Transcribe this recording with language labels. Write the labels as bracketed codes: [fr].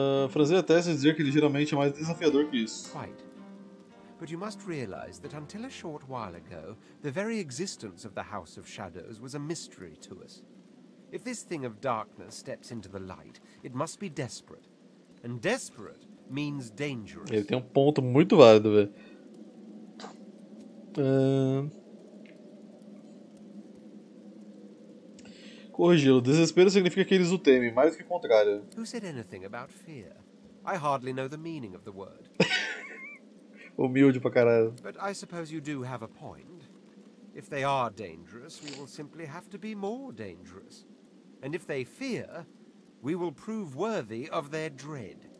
[pt] Franzei a testa e dizer que ele geralmente é mais desafiador que isso. [en] Quite. but you must realize that until a short while ago, the very existence of the House of Shadows was a mystery to us. If this thing of darkness steps into the light, it must be desperate. And desperate means dangerous. [pt] Ele tem um ponto muito válido, velho. Corrigi-lo. Desespero significa que eles o temem, mais do que o contrário. [en] Who said anything about fear? I hardly know the meaning of the word. [pt] Humilde pra caralho. [en] But I suppose you do have a point. If they are dangerous, we will simply have to be more dangerous. And if they fear, we will prove worthy of their dread.